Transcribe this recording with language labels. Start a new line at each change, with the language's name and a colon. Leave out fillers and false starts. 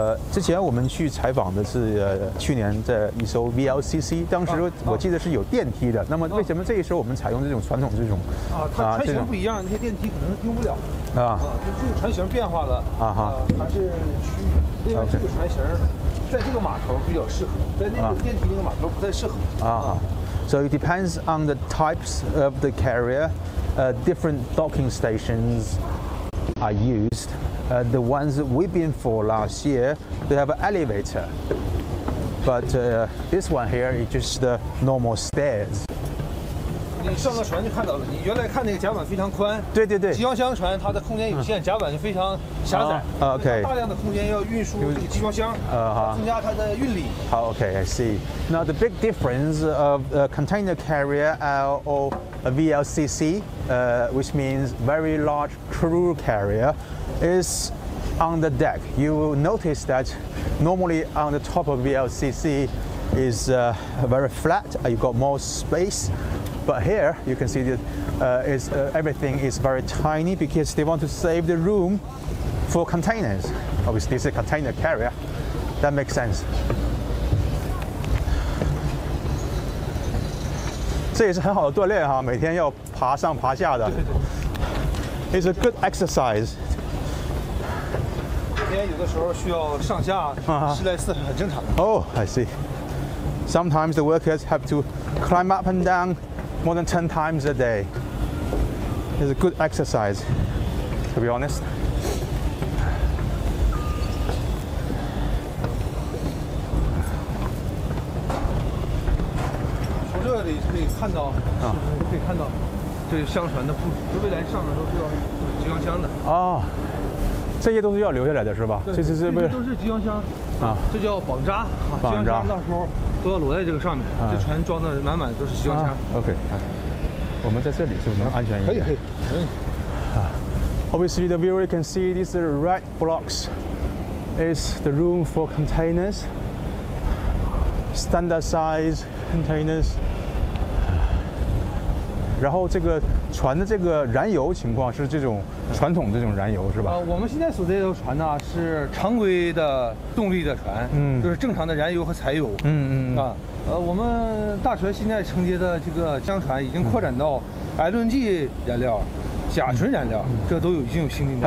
Chinese: 之前我们去采访的是去年的一艘 VLCC， 当时我记得是有电梯的。那么为什么这一艘我们采用这种传统这种？它船型不一样，那些电梯可能用不了。就这个船型变化了。它是区域，另外这个船型在这个码头比较适合，在那个电梯那个码头不太适合。
English: So it depends on the types of the carrier, different docking stations are used. The ones that we've been for last year, they have an elevator. But this one here is just the normal stairs.
Chinese: 你上个船就看到了，你原来看那个甲板非常宽。对对对。集装箱船它的空间有限，甲板就非常狭窄。
English: OK。
Chinese: 大量的空间要运输这个集装箱，增加它的运力。
English: 好 ，OK，I see. Now the big difference of a container carrier or a VLCC, which means very large crew carrier. Is on the deck. You will notice that normally on the top of VLCC is very flat. You've got more space, but here you can see that everything is very tiny because they want to save the room for containers. Obviously, this is a container carrier. That makes sense.
Chinese: 这也是很好的锻炼哈，每天要爬上爬下的。
English: It's a good exercise.
Chinese: 天有的时候需要上下十来次，很正常。
English: Oh, I see. Sometimes the workers have to climb up and down more than 10 times a day. It's a good exercise, to be honest.
Chinese: 可以看到这相传的布置，未来上面都是要集装箱的。哦，这些都是要留下来的是吧？对，这些都是集装箱啊，这叫绑扎啊，绑扎到时候都要裸在这个上面，这船装的满满都是集装箱。 OK， 我们在这里是不是能安全一点？可以。
English: Obviously, the viewer can see these red blocks is the room for containers, standard size containers.
Chinese: 然后这个船的这个燃油情况是这种传统的这种燃油是吧？我们现在所在的船呢是常规的动力的船，就是正常的燃油和柴油，我们大船现在承接的这个江船已经扩展到 LNG 燃料、甲醇燃料，这都有已经有新进展。